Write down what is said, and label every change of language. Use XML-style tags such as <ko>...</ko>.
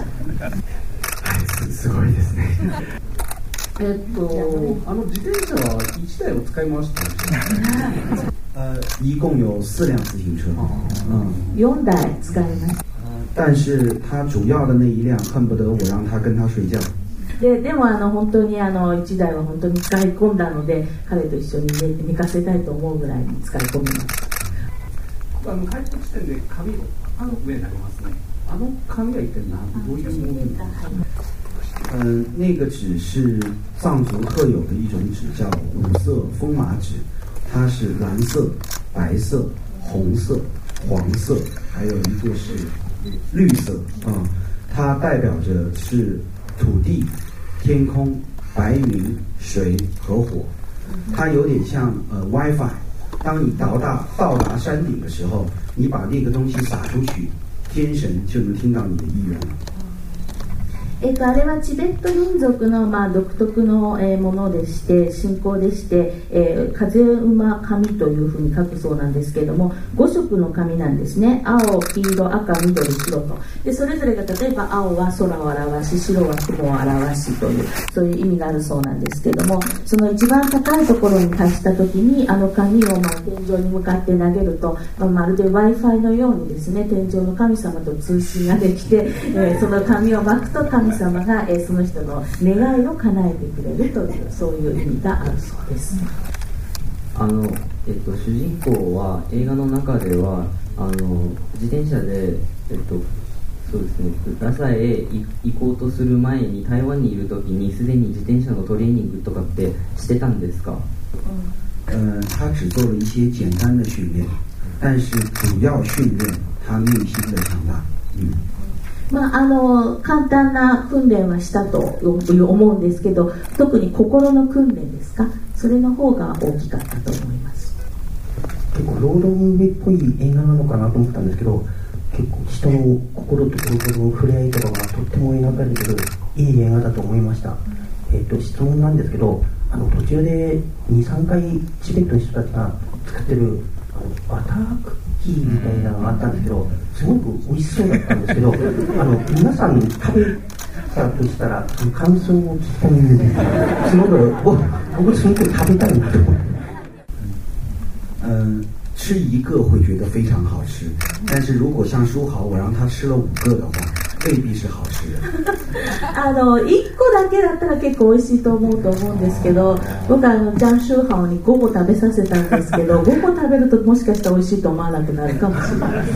<ja>はい、すごいですね。あの自転車は1台を使いましたね。</ja> <zh>一共有4辆自転車。</zh> <ja>4台使いました。</ja> <zh>但是他主要的那一辆恨不得我让他跟他睡觉。</zh> <ja>でもあの本当にあの1台は本当に使い込んだので、彼と一緒に寝かせたいと思うぐらいに使い込みました。帰国地点で紙をあの上になりますね。あの紙は一体どういうものですか？</ja> <zh>那个纸是藏族特有的一种纸，叫五色风麻纸，它是蓝色、白色、红色、黄色，还有一个是绿色啊、嗯，它代表着是土地、天空、白云、水和火，它有点像WiFi。当你到达山顶的时候，你把那个东西撒出去，天神就能听到你的意愿了。</zh> <ja>あれはチベット民族の、まあ、独特の、ものでして、信仰でして、風馬紙というふうに書くそうなんですけれども、5色の紙なんですね。青、黄色、赤、緑、黒と、でそれぞれが例えば青は空を表し、白は雲を表しというそういう意味があるそうなんですけれども、その一番高いところに達した時にあの紙を、まあ、天井に向かって投げると、まあ、まるで Wi-Fi のようにですね、天井の神様と通信ができて、その紙を巻くと神様がその人の願いを叶えてくれるという、そういう意味があるそうです。あの、主人公は映画の中ではあの自転車で、そうですね、ダサイへ行こうとする前に台湾にいる時にすでに自転車のトレーニングとかってしてたんですか？</ja> <zh>他只做了一些简单的训练，但是主要训练他内心的强大。</zh> <ja>まあ、あの簡単な訓練はしたと思うんですけど、特に心の訓練ですか、それの方が大きかったと思います。結構ロードムービーっぽい映画なのかなと思ったんですけど、結構人の心と心の触れ合いとかがとっても描かれてるいい映画だと思いました。質問なんですけど、あの途中で 2,3 回チベットの人たちが使ってるあのバタークみたいなのがあったんですけど、すごく美味しそうだったんですけど、あの皆さん食べたとしたら感想を聞きたいんです。すごく僕すごく食べたいなと思って。</ja> <zh>吃一个会觉得非常好吃，但是如果像书豪，我让他吃了5个的话，未必是好吃的。</zh> <ja>あの一個だけだったら結構美味しいと思うと思うんですけど、僕はあのジャン書豪に5個食べさせたんですけど、5個食べるともしかしたら美味しいと思わなくなるかもしれない。</ja>